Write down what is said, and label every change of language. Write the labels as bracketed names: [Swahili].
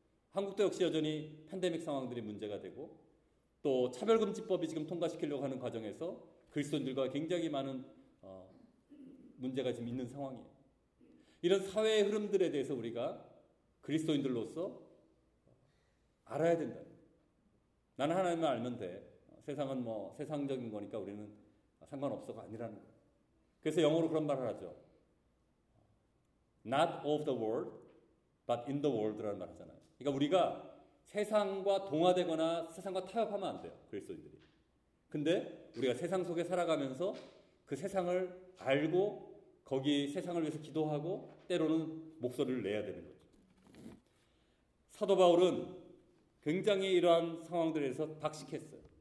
[Korean] 한국도 역시 여전히 팬데믹 상황들이 문제가 되고 또 차별금지법이 지금 통과시키려고 하는 과정에서 그리스도인들과 굉장히 많은 문제가 지금 있는 상황이에요. 이런 사회의 흐름들에 대해서 우리가 그리스도인들로서 알아야 된다. 나는 하나님을 알면 돼. 세상은 뭐 세상적인 거니까 우리는 상관없어가 아니라는 거예요. 그래서 영어로 그런 말을 하죠. [English] Not of the world, but in the world라는 [Korean] 말을 하잖아요. 그러니까 우리가 세상과 동화되거나 세상과 타협하면 안 돼요. 그리스도인들이. 근데 우리가 세상 속에 살아가면서 그 세상을 알고 거기 세상을 위해서 기도하고 때로는 목소리를 내야 되는 거죠. 사도 바울은 굉장히 이러한 상황들에서 박식했어요.